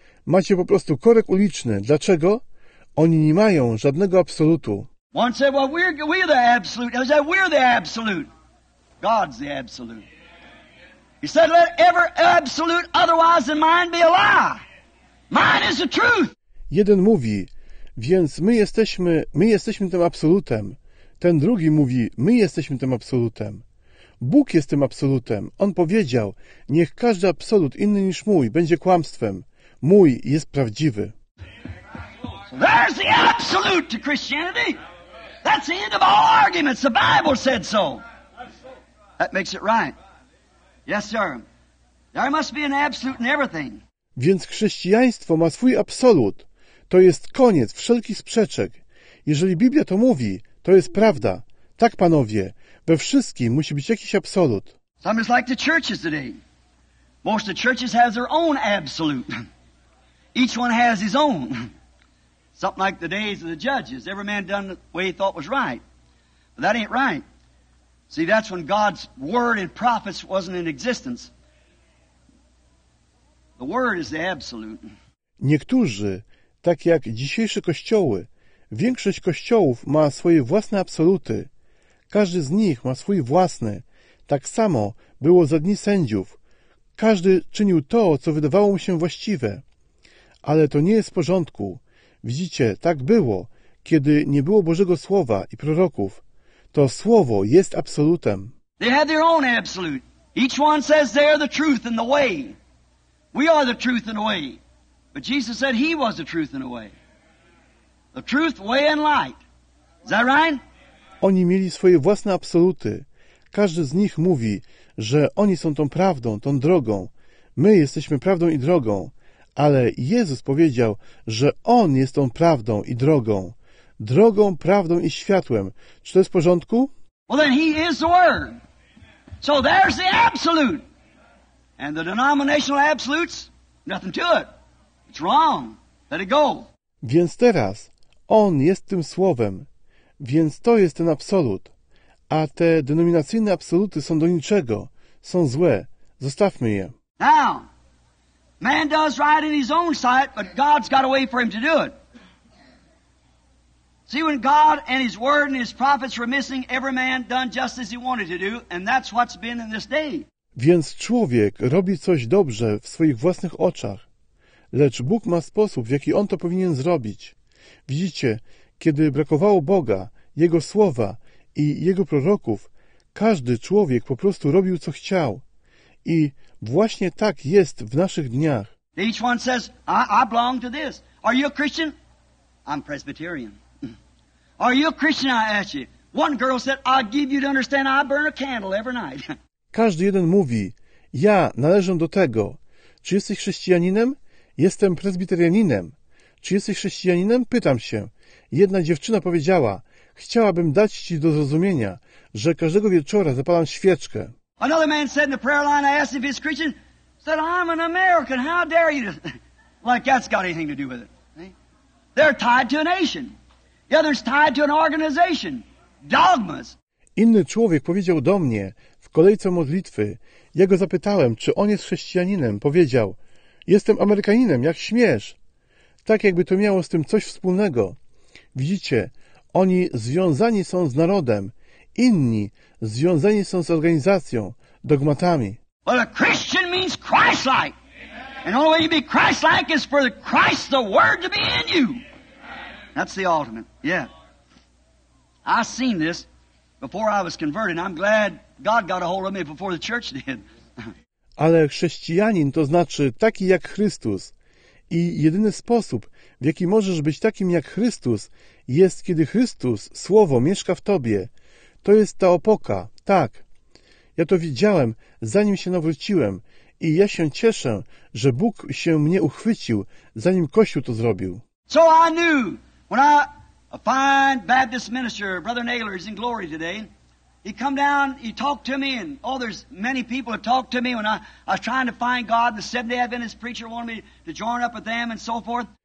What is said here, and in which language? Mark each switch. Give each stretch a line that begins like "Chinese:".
Polish: Macie po prostu korek uliczny. Dlaczego? Oni nie mają żadnego absolutu.
English: One said, well, we're the absolute. I said, we're the absolute. God's the absolute. He said, let every absolute otherwise than mine be a lie. Mine is the truth.
Polish: Jeden mówi, więc my jesteśmy tym absolutem. Ten drugi mówi, my jesteśmy tym absolutem. Bóg jest tym absolutem. On powiedział, niech każdy absolut inny niż mój będzie kłamstwem. Mój jest prawdziwy.
English: There's the absolute to Christianity. That's the end of all arguments. The Bible said so. That makes it right. Yes, sir. There must be an absolute in everything.
Polish: Więc chrześcijaństwo ma swój absolut. To jest koniec wszelkich sprzeczek. Jeżeli Biblia to mówi, to jest prawda. Tak, panowie, we wszystkim musi być jakiś absolut.
English: Some is like the churches today. Most of the churches have their own absolute. Each one has his own. Something like the days of the judges. Every man done the way he thought was right. But that ain't right. See, that's when God's word and prophets wasn't in existence. The word is the absolute.
Polish: Niektórzy, tak jak dzisiejsze kościoły, większość kościołów ma swoje własne absoluty. Każdy z nich ma swój własny. Tak samo było za dni sędziów. Każdy czynił to, co wydawało mu się właściwe. Ale to nie jest w porządku. Widzicie, tak było, kiedy nie było Bożego Słowa i proroków. To Słowo jest absolutem.
English: They had their own absolute. Each one says they are the truth and the way. We are the truth and the way. But Jesus said he was the truth and the way. The truth, way and light. Is that right?
Polish: Oni mieli swoje własne absoluty. Każdy z nich mówi, że oni są tą prawdą, tą drogą. My jesteśmy prawdą i drogą. Ale Jezus powiedział, że On jest tą prawdą i drogą. Drogą, prawdą i światłem. Czy to jest w porządku?
English: Well, then he is the word. So there's the absolute. And the denominational absolutes, nothing to it. It's wrong. Let it go.
Polish: Więc teraz On jest tym słowem. Więc to jest ten absolut. A te denominacyjne absoluty są do niczego. Są złe. Zostawmy je.
English: Now. Man does right in his own sight, but God's got a way for him to do it. See, when God and his word and his prophets were missing, every man done just as he wanted to do, and that's what's been in this day.
Polish: Więc człowiek robi coś dobrze w swoich własnych oczach, lecz Bóg ma sposób, w jaki on to powinien zrobić. Widzicie, kiedy brakowało Boga, Jego słowa i Jego proroków, każdy człowiek po prostu robił, co chciał. I właśnie tak jest w naszych dniach.
English: Each one says, I belong to this. Are you a Christian? I'm Presbyterian. Are you a Christian, I ask you? One girl said, I give you to understand I burn a candle every night.
Polish: Każdy jeden mówi, ja należę do tego. Czy jesteś chrześcijaninem? Jestem prezbiterianinem. Czy jesteś chrześcijaninem? Pytam się. Jedna dziewczyna powiedziała, chciałabym dać ci do zrozumienia, że każdego wieczora zapalam świeczkę.
English: Another man said in the prayer line, I asked if he's Christian, said, I'm an American, how dare you? Like that's got anything to do with it. See? They're tied to a nation. The other's tied to an organization. Dogmas.
Polish: Inny człowiek powiedział do mnie w kolejce modlitwy. Ja go zapytałem, czy on jest chrześcijaninem. Powiedział, jestem Amerykaninem, jak śmiesz? Tak jakby to miało z tym coś wspólnego. Widzicie, oni związani są z narodem. Inni związani są z organizacją, dogmatami.
English: Well, a Christian means Christ-like. And the only way you be Christ-like is for the Christ, the Word, to be in you. That's the ultimate. Yeah. I seen this before I was converted. I'm glad God got a hold of me before the church did.
Polish: Ale chrześcijanin to znaczy taki jak Chrystus. I jedyny sposób, w jaki możesz być takim jak Chrystus, jest kiedy Chrystus, Słowo, mieszka w tobie. To jest ta opoka, tak. Ja to widziałem, zanim się nawróciłem. I ja się cieszę, że Bóg się mnie uchwycił, zanim Kościół to zrobił.
English: So I knew, when a fine Baptist minister, Brother Naylor, is in glory today. He come down, he talked to me, and oh, there's many people who talked to me when I was trying to find God, and the Seventh-day Adventist preacher wanted me to join up with them and so forth.